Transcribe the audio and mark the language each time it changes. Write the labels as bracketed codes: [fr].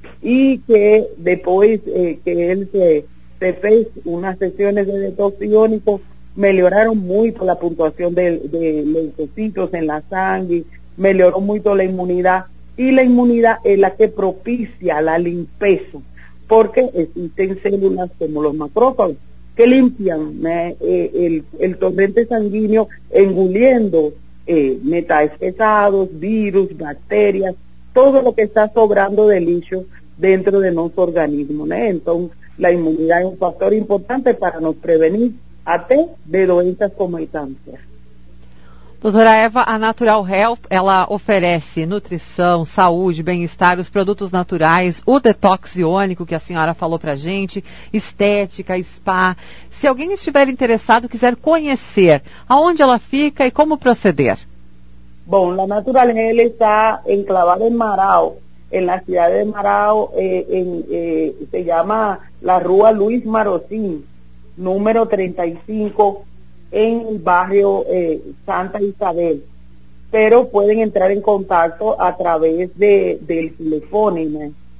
[es] Y que después que él [pt] se fez [es] unas sesiones de detox iónico, mejoraron mucho la puntuación de leucocitos en la sangre, mejoró mucho la inmunidad, y la inmunidad es la que propicia la limpieza, porque existen células como los macrófagos que limpian el torrente sanguíneo engulliendo metales pesados, virus, bacterias, todo lo que está sobrando de lixo dentro de nuestro organismo, ¿no? Entonces la inmunidad es un factor importante para nos prevenir hasta de doenças como el cáncer. [pt] Doutora Eva, a Natural Health, ela oferece nutrição, saúde, bem-estar, os produtos naturais, o detox iônico que a senhora falou para a gente, estética, spa. Se alguém estiver interessado, quiser conhecer, aonde ela fica e como proceder? Bom, a Natural Health está enclavada em Marau, em la cidade de Marau, [es] se chama la Rua Luis Marocín, número 35, en el barrio Santa Isabel, pero pueden entrar en contacto a través del teléfono, ¿no?